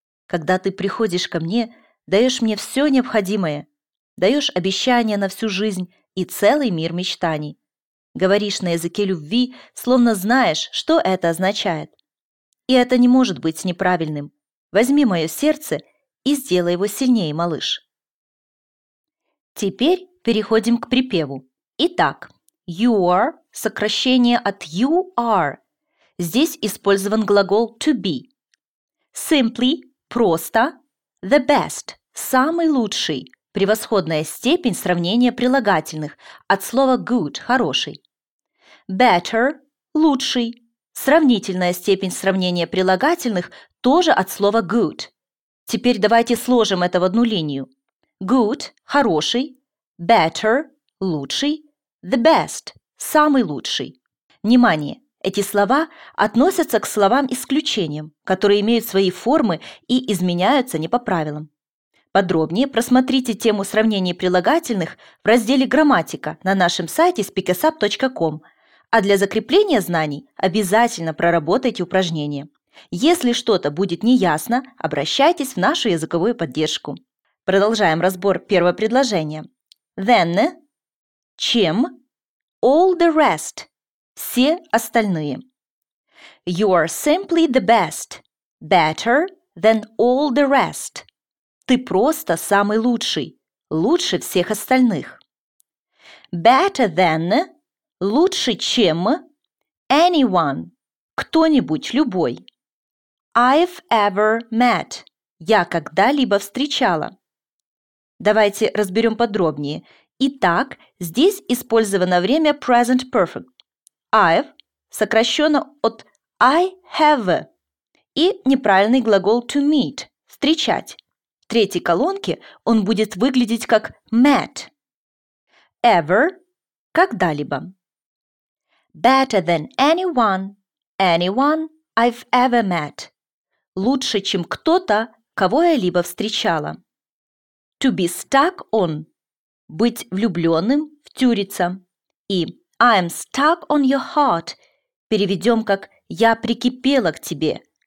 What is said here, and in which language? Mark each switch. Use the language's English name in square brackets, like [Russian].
[Russian] Когда ты приходишь ко мне, даешь мне все необходимое, даешь обещания на всю жизнь и целый мир мечтаний. говоришь на языке любви, словно знаешь, что это означает. И это не может быть неправильным. Возьми мое сердце и сделай его сильнее, малыш. Теперь переходим к припеву. Итак, [English] you are, [Russian] сокращение от you are. Здесь использован глагол to be. Simply, просто, the best, самый лучший, превосходная степень сравнения прилагательных от слова good, хороший. Better, лучший, сравнительная степень сравнения прилагательных тоже от слова good. Теперь давайте сложим это в одну линию. Good, хороший, better, лучший, the best, самый лучший. Внимание! Эти слова относятся к словам-исключениям, которые имеют свои формы и изменяются не по правилам. Подробнее просмотрите тему сравнений прилагательных в разделе «Грамматика» на нашем сайте speakersup.com, а для закрепления знаний обязательно проработайте упражнение. Если что-то будет неясно, обращайтесь в нашу языковую поддержку. Продолжаем разбор первого предложения. [English] Then, [Russian] чем, [English] all the rest. [Russian] Все остальные. [English] You are simply the best, better than all the rest. [Russian] Ты просто самый лучший, лучше всех остальных. [English] Better than, [Russian] лучше чем, anyone, кто-нибудь, любой. [English] I've ever met, [Russian] я когда-либо встречала. Давайте разберем подробнее. Итак, здесь использовано время present perfect. I've, сокращенно от [English] I have, [Russian] и неправильный глагол to meet, встречать. В третьей колонке он будет выглядеть как met. Ever, когда-либо. [English] Better than anyone, anyone I've ever met. [Russian] Лучше, чем кто-то, кого я либо встречала. To be stuck on, быть влюбленным, втюриться. [English] И I'm stuck on your heart. [Russian] Переведем как «я прикипела к тебе».